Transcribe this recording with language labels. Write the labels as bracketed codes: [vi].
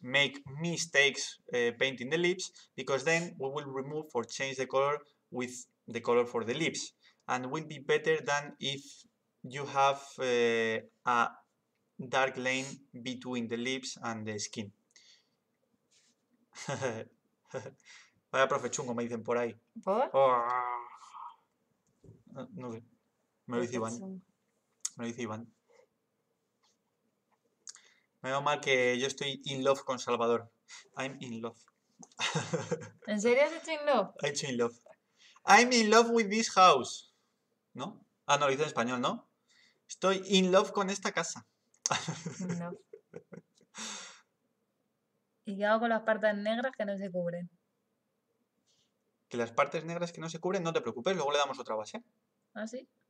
[en] Make mistakes painting the lips, because then we will remove or change the color with the color for the lips, and will be better than if you have a dark line between the lips and the skin. [es] Vaya profe chungo, me dicen por ahí. ¿Por? No sé. Me lo dice Iván. Menos mal que yo estoy [en] in love [es] con Salvador. [en] I'm in love. [es] ¿En serio has hecho [en] in love? I'm [es] hecho [en] in love. I'm in love with this house. [es] ¿No? Ah, no, lo hice en español, ¿no? Estoy [en] in love [es] con esta casa. No. ¿Y qué hago con las partes negras que no se cubren? Que las partes negras que no se cubren, no te preocupes, luego le damos otra base. ¿Ah, sí?